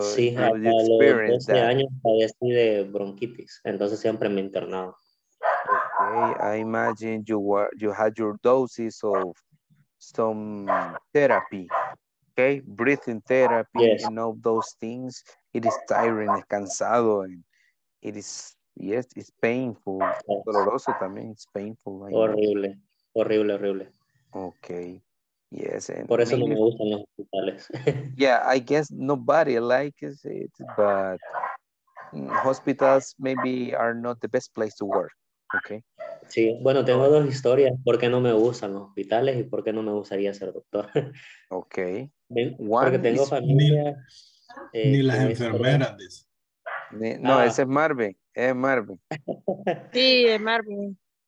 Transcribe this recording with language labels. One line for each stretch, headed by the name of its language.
Spanish: sí, a los 12 años había sido
English: bronchitis,
Spanish: entonces siempre me internaba.
English: Okay, I imagine you had your doses of some therapy. Okay, breathing therapy, yes. And all those things. It is tiring,
Spanish: es cansado,
English: and it is, yes, it's painful, yes.
Spanish: Doloroso también,
English: it's painful. Horrible, horrible, horrible. Okay, yes. And
Spanish: por eso
English: maybe,
Spanish: no me gustan los hospitales.
English: Yeah, I guess nobody likes it, but hospitals maybe are not the best place to work, okay?
Spanish: Sí, bueno, tengo dos historias, ¿por qué no me gustan los hospitales y por qué no me gustaría ser doctor? Okay. Porque tengo familia. Ni las enfermeras. No, ese es Marvin, es Marvin. Sí, es Marvin.